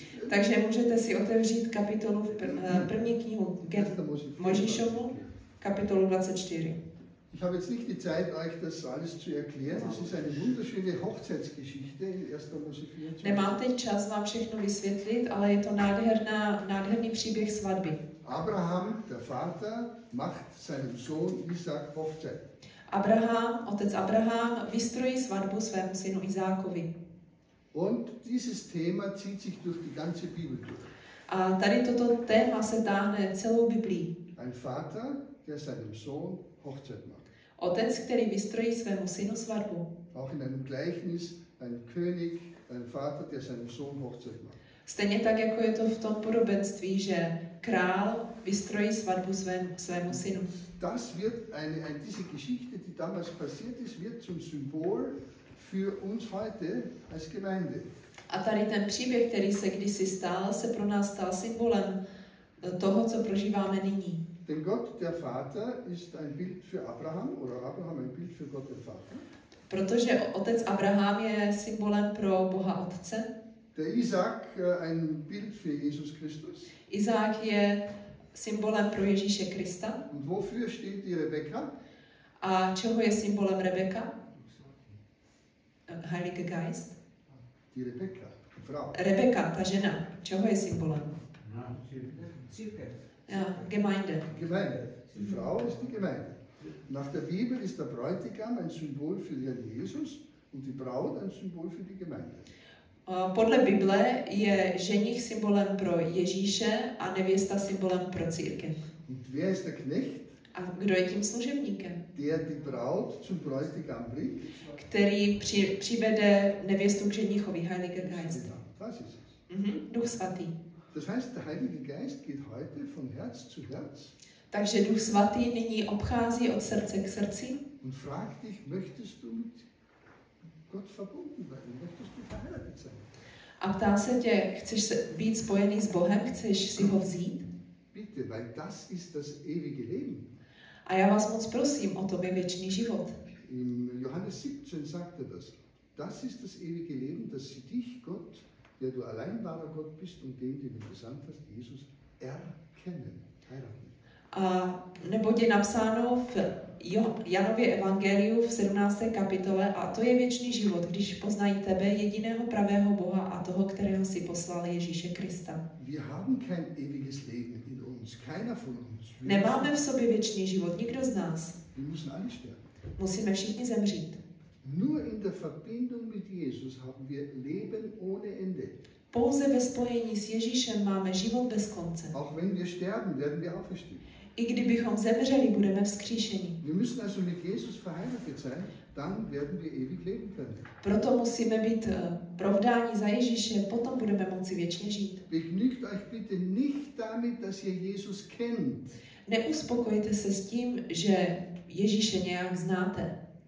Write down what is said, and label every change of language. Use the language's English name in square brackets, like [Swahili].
[Czech] Takže můžete si otevřít kapitolu v první knihu Mojžíšovu, kapitolu 24. [German] Ich habe jetzt nicht die Zeit euch das alles zu erklären. Das ist eine wunderschöne Hochzeitsgeschichte in 1. Mose 24. [Czech] Nemám teď čas vám všechno vysvětlit, ale je to nádherný příběh svatby. [German] Abraham, der Vater, macht seinem Sohn Isaac Hochzeit. [Czech] Abraham, otec Abraham, vystrojí svatbu svému synu Izákovi. [German] Und dieses Thema zieht sich durch die ganze Bibel durch. [Czech] A tady toto téma se táhne celou Biblií. [German] Ein Vater, der seinem Sohn Hochzeit macht. [Czech] Otec, který vystrojí svému synu svatbu. [German] Auch in einem Gleichnis ein König, ein Vater, der seinem Sohn Hochzeit macht. [Czech] Stejně tak, jako je to v tom podobenství, že král vystrojí svatbu svému synu. [German] Das wird eine diese Geschichte, die damals passiert ist, wird zum Symbol für uns heute als Gemeinde. [Czech] A tady ten příběh, který se kdysi stál, se pro nás stal symbolem toho, co prožíváme nyní. [German] Denn Gott der Vater ist ein Bild für Abraham oder Abraham ein Bild für Gott den Vater. [Czech] Protože otec Abraham je symbolem pro Boha Otce. [German] Der Isaac ein Bild für Jesus Christus. [Czech] Isaac je symbolem pro Ježíše Krista. [German] Und wofür steht die Rebecca? [Czech] A čeho je symbolem Rebecca? [German] Heilige Geist. Die Rebecca, die Frau. [Czech] Rebecca, ta žena. Čeho je symbolem? [German] Gemeinde. Gemeinde. Die Frau ist die Gemeinde. Nach der Bibel ist der Bräutigam ein Symbol für den Jesus und die Braut ein Symbol für die Gemeinde. [Czech] Podle Bible je ženich symbolem pro Ježíše a nevěsta symbolem pro církev. [German] Und wer ist der Knecht? [Czech] A kdo je tím služebníkem? [German] Der die Braut zum Bräutigam bringt. [Czech] Který přivede nevěstu k ženichovi, [German] Heilige Geist. Das ist es. [Czech] Duch svatý. [German] Das heißt, der Heilige Geist geht heute von Herz zu Herz. [Czech] Takže Duch svatý nyní obchází od srdce k srdci. [German] Und frag dich, möchtest du mit Gott verbunden werden? Möchtest du verheiratet sein? [Czech] A ptá se tě, chceš být spojený s Bohem? Chceš si ho vzít? [German] Bitte, weil das ist das ewige Leben. [Czech] A já vás moc prosím, o to je věčný život. [German] In Johannes 17 sagt er das. Das ist das ewige Leben, dass sie dich, Gott, der du allein wahrer Gott bist und den, den du gesandt hast, Jesus, erkennen, heiraten. [Czech] A neboť je napsáno v Janově evangeliu v 17. kapitole, a to je věčný život, když poznají tebe, jediného pravého Boha a toho, kterého si poslal Ježíše Krista. [German] Wir haben kein ewiges Leben in uns, keiner von uns. [Czech] Nemáme v sobě věčný život, nikdo z nás. [German] Wir müssen alle sterben. [Czech] Musíme všichni zemřít. [German] Nur in der Verbindung mit Jesus haben wir Leben ohne Ende. [Czech] Pouze ve spojení s Ježíšem máme život bez konce. [German] Auch wenn wir sterben, werden wir auferstehen. [Czech] I kdybychom zemřeli, budeme vzkříšeni. [German] Wir müssen also mit Jesus verheiratet sein, dann werden wir ewig leben können. [Czech] Proto musíme být provdáni za Ježíše, potom budeme moci věčně žít. [German] Begnügt euch bitte nicht damit, dass ihr Jesus kennt. [Czech] Neuspokojte se s tím, že Ježíše nějak znáte.